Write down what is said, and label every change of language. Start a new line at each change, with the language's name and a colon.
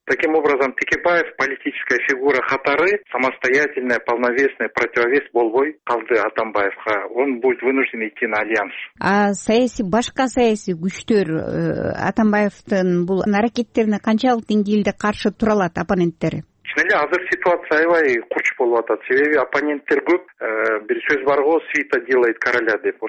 Russian: Таким образом, Текебаев политическая фигура
Kyrgyz: катары
Russian: самостоятельная, полновесная, противовес
Kyrgyz: болбой калды Атамбаевга.
Russian: Он будет вынужден идти на альянс.
Kyrgyz: А саясий, башка саясий күчтөр Атамбаевдин бул аракеттерине канчалык деңгээлде каршы тура алат оппоненттери? Чын эле азыр ситуация аябай курч болуп атат. Себеби оппоненттер көп. Бир сөз бар го,
Russian: свита делает короля
Kyrgyz: деп.